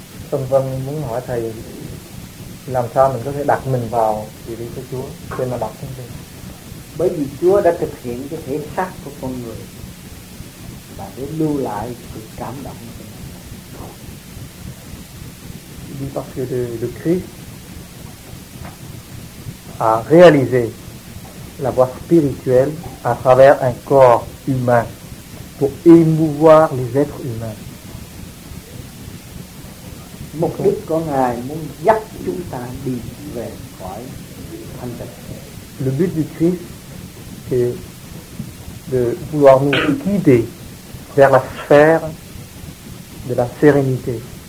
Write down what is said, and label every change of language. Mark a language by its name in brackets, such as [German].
[Vietnamese] Tâm Vân muốn hỏi thầy làm sao mình có thể đặt mình vào vị trí của Chúa khi mà đọc thánh kinh. Bởi vì Chúa đã thực hiện cái thể xác của con người và để lưu lại sự cảm động. [French] Il dit parce que le Christ a réalisé la voie spirituelle à travers un corps humain pour émouvoir les êtres humains. [Vietnamese] Mục đích của Ngài muốn dắt chúng ta đi về khỏi thanh tịnh. [French] Le but du Christ est de vouloir nous guider vers la sphère de la sérénité.